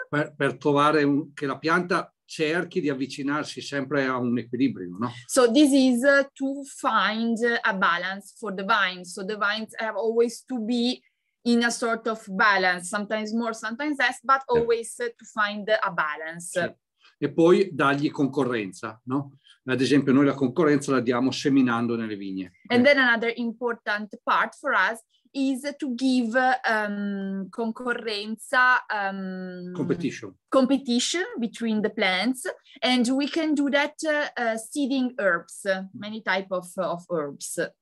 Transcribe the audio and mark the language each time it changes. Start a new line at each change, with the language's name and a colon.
Italian: Per trovare che la pianta cerchi di avvicinarsi sempre a un equilibrio, no?
English: So this is to find a balance for the vines. So the vines have always to be in a sort of balance, sometimes more, sometimes less, but always to find a balance.
Italian: Sì. E poi dargli concorrenza, no? Ad esempio, noi la concorrenza la diamo seminando nelle vigne.
English: And then another important part for us is to give concorrenza, competition between the plants, and we can do that seeding herbs, many type of herbs.